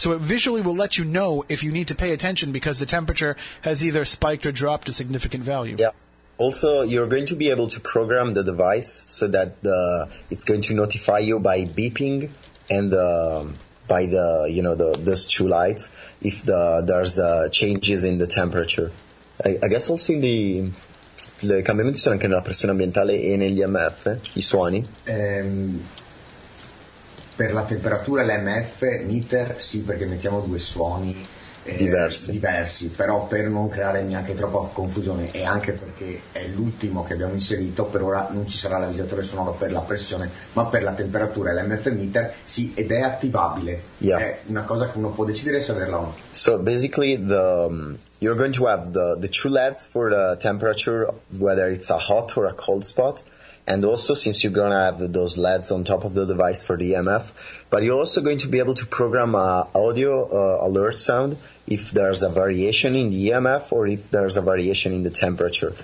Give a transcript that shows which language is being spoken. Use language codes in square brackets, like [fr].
[en] So it visually will let you know if you need to pay attention because the temperature has either spiked or dropped a significant value. Yeah. Also, you're going to be able to program the device so that it's going to notify you by beeping and by the, you know, those two lights if there's changes in the temperature. I guess also in the... [it] I cambiamenti sono anche nella pressione ambientale e negli EMF, I suoni? Per la temperatura l'EMF meter sì, perché mettiamo due suoni diversi, però per non creare neanche troppa confusione e anche perché è l'ultimo che abbiamo inserito, per ora non ci sarà l'avvisatore sonoro per la pressione, ma per la temperatura l'EMF meter sì, ed è attivabile. [en] Yeah. [it] È una cosa che uno può decidere se averla o no. [en] So basically you're going to have the two LEDs for the temperature, whether it's a hot or a cold spot. And also, since you're going to have those LEDs on top of the device for the EMF, but you're also going to be able to program an audio alert sound if there's a variation in the EMF or if there's a variation in the temperature.